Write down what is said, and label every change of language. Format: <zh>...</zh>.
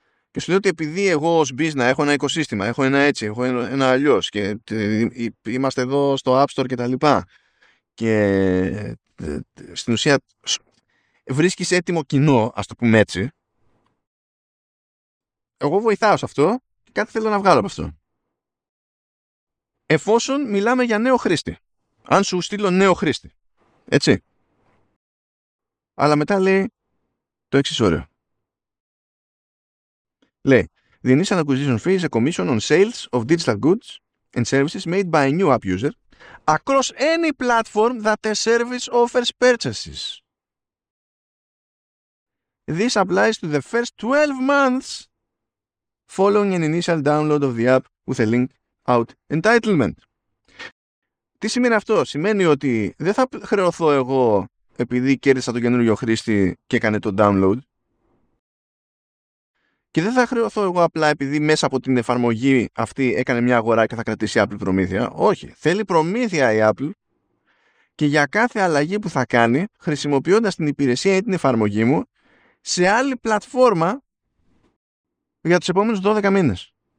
<el>Και σου λέω ότι επειδή εγώ ως business έχω ένα οικοσύστημα, έχω ένα έτσι, έχω ένα αλλιώς και είμαστε εδώ στο App Store και τα λοιπά και στην ουσία βρίσκεις έτοιμο κοινό, ας το πούμε έτσι, εγώ βοηθάω σε αυτό και κάτι θέλω να βγάλω από αυτό. Εφόσον μιλάμε για νέο χρήστη, αν σου στείλω νέο χρήστη, έτσι. Αλλά μετά λέει το εξής ωραίο. Λέει,</el> <en>the initial acquisition fee is a commission on sales of digital goods and services made by a new app user across any platform that a service offers purchases. This applies to the first 12 months following an initial download of the app with a link out entitlement.</en> <el>Τι σημαίνει αυτό? Σημαίνει ότι δεν θα χρεωθώ εγώ επειδή κέρδισα τον καινούριο χρήστη και έκανε το download. Και δεν θα χρεωθώ εγώ απλά επειδή μέσα από την εφαρμογή αυτή έκανε μια αγορά και θα κρατήσει η Apple προμήθεια. Όχι. Θέλει προμήθεια η Apple και για κάθε αλλαγή που θα κάνει χρησιμοποιώντας την υπηρεσία ή την εφαρμογή μου σε άλλη πλατφόρμα για τους επόμενους 12 μήνες.</el>